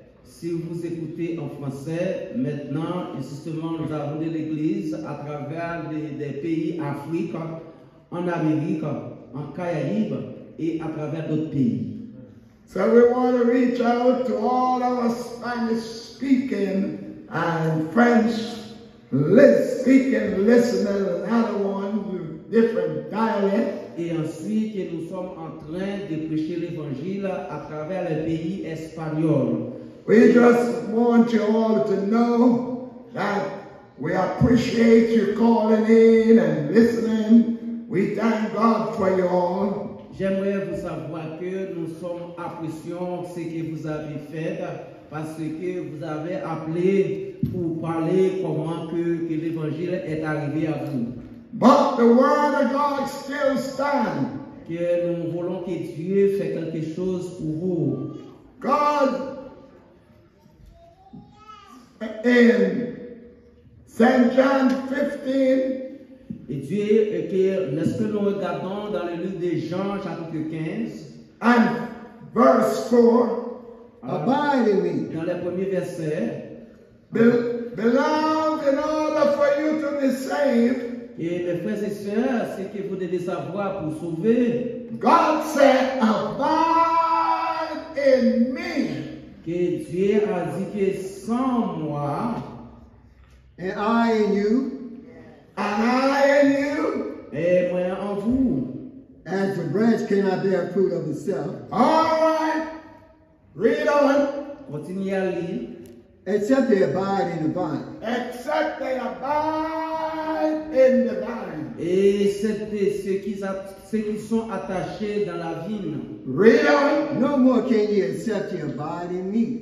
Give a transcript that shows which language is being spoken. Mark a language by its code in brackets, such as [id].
[fr] Si vous écoutez en français, maintenant, justement, nous avons de l'Église à travers des pays Afrique, en Amérique, en Caraïbes et à travers d'autres pays. [en] So we want to reach out to all our Spanish-speaking and French-speaking listeners and other ones with different dialects. [fr] Et ensuite, nous sommes en train de prêcher l'Évangile à travers le pays espagnol. [en] We just want you all to know that we appreciate you calling in and listening. We thank God for you all. [fr] J'aimerais vous savoir que nous sommes appréciants ce que vous avez fait parce que vous avez appelé pour parler comment que l'Évangile est arrivé à vous. [en] But the word of God still stands. [fr] Que nous voulons que Dieu fait quelque chose pour vous. [en] God in St. John 15. [fr] Et Dieu, est-ce que nous regardons dans le livre de Jean, chapitre 15? [en] And verse 4. Abide in me. [fr] Dans le premier verset. [en] Beloved, in order for you to be saved. [fr] Et mes frères et sœurs, ce que vous devez savoir pour sauver. [en] God said, abide in me. [fr] Que Dieu a dit que sans moi. [en] And I in you. And I in you. [fr] Et moi en vous. [en] As the branch cannot bear fruit of itself. All right. Read on. [fr] Continue à lire. [en] Except they abide in the vine. Except they abide in the vine. [fr] Et ceux qui sont attachés dans la vigne. [en] Read on. No more can ye accept your body in me.